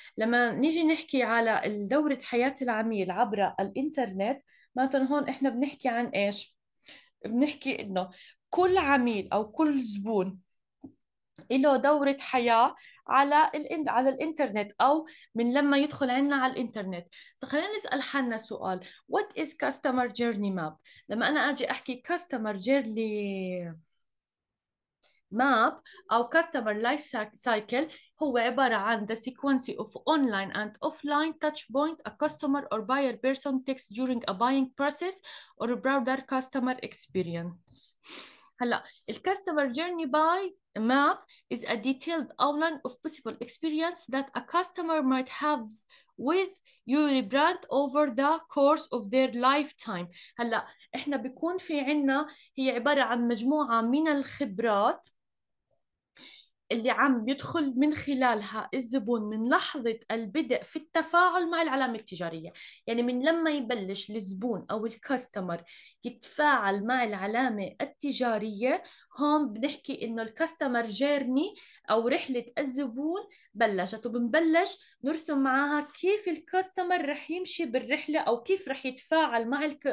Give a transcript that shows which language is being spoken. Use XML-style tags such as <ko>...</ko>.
<ar>لما نيجي نحكي على دورة حياة العميل عبر الانترنت، معناته هون احنا بنحكي عن ايش؟ بنحكي انه كل عميل او كل زبون له دورة حياة على الانترنت، او من لما يدخل عندنا على الانترنت. خلينا نسأل حالنا سؤال،</ar> <en>what is customer journey map؟</en> <ar>لما انا اجي احكي</ar> <en>customer journey map او customer life cycle،</en> <ar>هو عبارة عن</ar> <en>the sequence of online and offline touch point a customer or buyer person takes during a buying process or a broader customer experience.</en> <ar>هلا ال</ar> <en>customer journey by map is a detailed outline of possible experience that a customer might have with your brand over the course of their lifetime.</en> <ar>هلا احنا بيكون في عنا، هي عبارة عن مجموعة من الخبرات اللي عم بيدخل من خلالها الزبون من لحظة البدء في التفاعل مع العلامة التجارية، يعني من لما يبلش الزبون أو الكاستمر يتفاعل مع العلامة التجارية، هون بنحكي إنه الكاستمر جيرني أو رحلة الزبون بلشت، وبنبلش نرسم معاها كيف الكاستمر رح يمشي بالرحلة أو كيف رح يتفاعل مع</ar>